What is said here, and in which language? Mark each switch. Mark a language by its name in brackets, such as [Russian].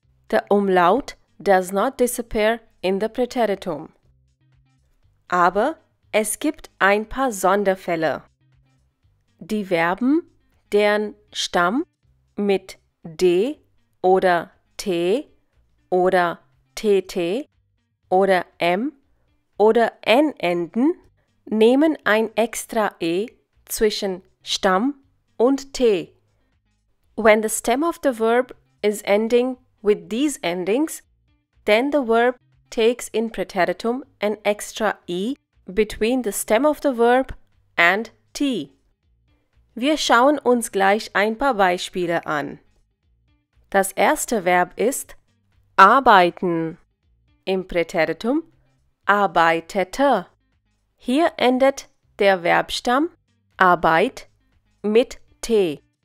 [English] The Umlaut does not disappear in the Präteritum. [German] Aber es gibt ein paar Sonderfälle. Die Verben, deren Stamm mit D oder T oder TT oder M oder N enden, nehmen ein extra E zwischen Stamm und T. [English] When the stem of the verb is ending with these endings, then the verb takes in Präteritum an extra E between the stem of the verb and T. [German] Wir schauen uns gleich ein paar Beispiele an. Das erste Verb ist arbeiten. Im Präteritum arbeitete. Hier endet der Verbstamm Arbeit mit T.